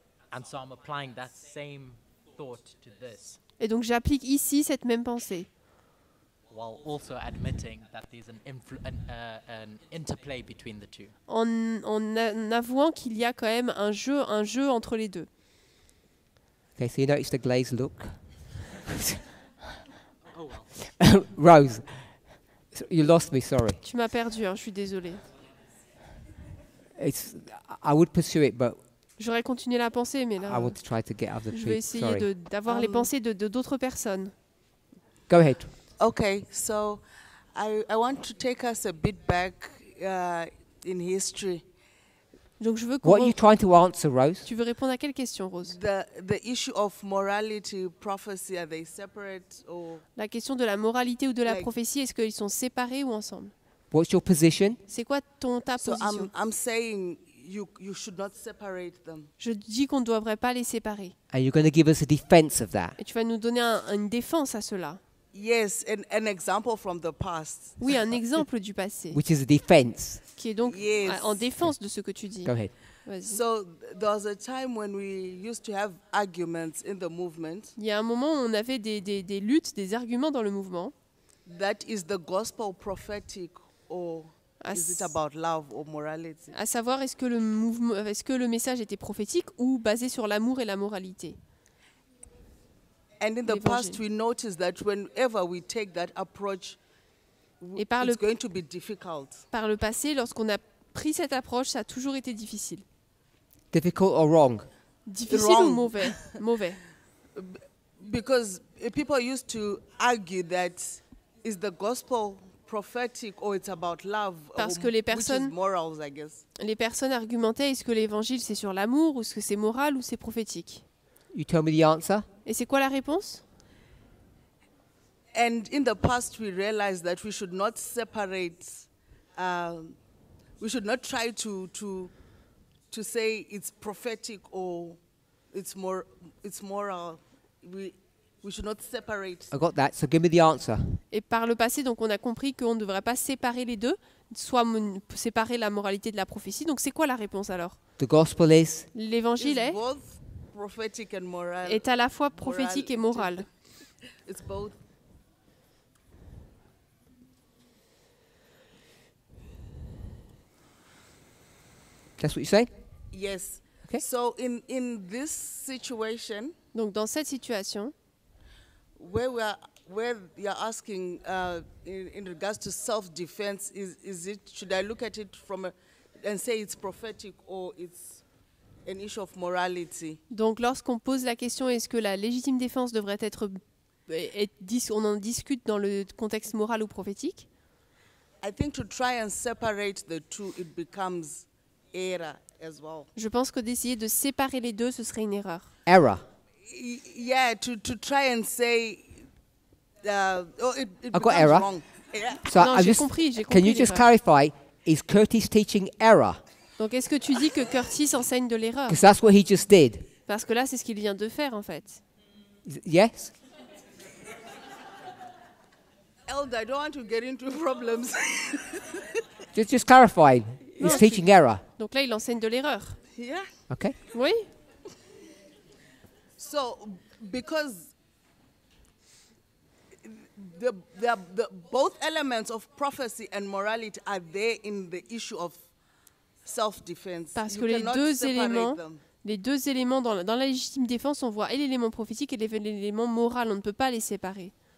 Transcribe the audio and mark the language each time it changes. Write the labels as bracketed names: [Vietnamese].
[English] And so I'm applying that same thought to this. [French] Et donc j'applique ici cette même pensée. [English] while also admitting that there's an interplay between the two. [French] En avouant qu'il y a quand même un jeu entre les deux. [English] Okay, so you notice the glazed look. Oh well. Rose, you lost me. Sorry. [French] Tu m'as perdu. Hein, je suis désolée. [English] It's. I would pursue it, but. [French] J'aurais continué la pensée, mais là. [English] I would try to get out of the tree. [French] Je vais essayer d'avoir les pensées de d'autres personnes. [English] Go ahead. Okay, so I want to take us a bit back in history. [French] Donc je veux. [English] What are you trying to answer, Rose? [French] Tu veux répondre à quelle question, Rose? [English] The issue of morality, prophecy, are they separate or? [French] La question de la moralité ou de la prophétie, est-ce qu'ils sont séparés ou ensemble? [English] What's your position? [French] C'est quoi ta position? [English] So I'm saying you should not separate them. [French] Je dis qu'on ne devrait pas les séparer. [English] And you're going to give us a defense of that. [French] Et tu vas nous donner une défense à cela. [English] Yes, an example from the past. [French] Oui, un exemple du passé. [English] Which is a defense. [French] Qui est donc en défense de ce que tu dis. [English] Go ahead. [French] Vas-y. [English] So there was a time when we used to have arguments in the movement. [French] Il y a un moment où on avait des luttes, des arguments dans le mouvement. [English] That is the gospel prophetic or is it about love or morality? [French] À savoir, est-ce que le message était prophétique ou basé sur l'amour et la moralité? [English] And in the past, we noticed that whenever we take that approach, it's going to be difficult. [French] Par le passé, lorsqu'on a pris cette approche, ça a toujours été difficile. [English] Difficult or wrong? [French] Difficile ou mauvais? Mauvais. [English] Because people used to argue that is the gospel prophetic or it's about love? [French] Parce que les personnes, [English] which is morals, I guess. [French] Les personnes argumentaient, est-ce que l'évangile c'est sur l'amour ou est-ce que c'est moral ou c'est prophétique? [English] You tell me the answer. [French] Et c'est quoi la réponse? [English] And in the past we realized that we should not separate we should not try to say it's prophetic or it's moral. We should not separate. I got that. So give me the answer. [French] Et par le passé, donc on a compris qu'on ne devrait pas séparer les deux, soit séparer la moralité de la prophétie. Donc c'est quoi la réponse alors? [English] The gospel is. [French] L'évangile est [English] both prophetic and moral. [French] Est à la fois prophétique et moral. [English] It's both. That's what you say? Yes. Okay. So in this situation. [French] Donc dans cette situation. [English] Where you're asking in regards to self-defense, is it, should I look at it from and say it's prophetic or it's an issue of morality? [French] Donc lorsqu'on pose la question, est-ce que la légitime défense devrait être, on en discute dans le contexte moral ou prophétique? [English] I think to try and separate the two, it becomes error as well. [French] Je pense que d'essayer de séparer les deux, ce serait une erreur. [English] Error. Yeah, to try and say I got error. Wrong. Yeah. So [French] j'ai compris. [English] Can you just clarify? Is Curtis teaching error? [French] Donc est-ce que tu dis que Curtis enseigne de l'erreur? [English] Because that's what he just did. [French] Parce que là, c'est ce qu'il vient de faire en fait. [English] Yes. Elder, I don't want to get into problems. just clarify. He's teaching error. [French] Donc là, il enseigne de l'erreur. [English] Yeah. Okay. [French] Oui. [English] So, because the both elements of prophecy and morality are there in the issue of self-defense. [French] Parce que les deux éléments dans la légitime défense, on voit et l'élément prophétique et l'élément moral. On ne peut pas les séparer.